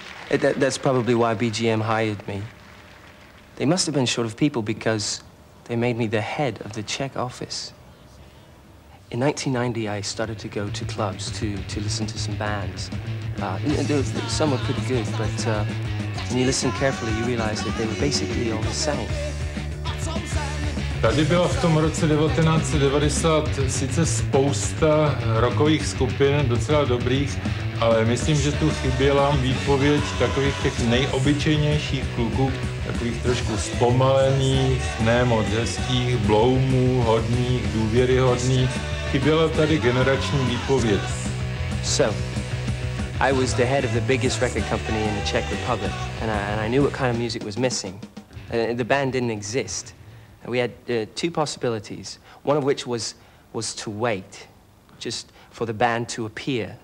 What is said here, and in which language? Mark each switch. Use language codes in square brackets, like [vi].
[en] That's probably why BGM hired me. They must have been short of people because they made me the head of the Czech office. In 1990, I started to go to clubs to listen to some bands. Some were pretty good, but when you listen carefully, you realize that they were basically all the same. [cs] Tady byla v tom roce 1990 sice spousta rockových skupin, docela dobrých, ale myslím, že tu chyběla výpověď takových těch nejobyčejnějších kluků, takových trošku zpomalených, ne moc hezkých, bloumů, hodných, důvěryhodných. Chyběla tady generační výpověď. [en] So, I was the head of the biggest record company in the Czech Republic, and I knew what kind of music was missing. The band didn't exist. We had two possibilities, one of which was to wait, just for the band to appear.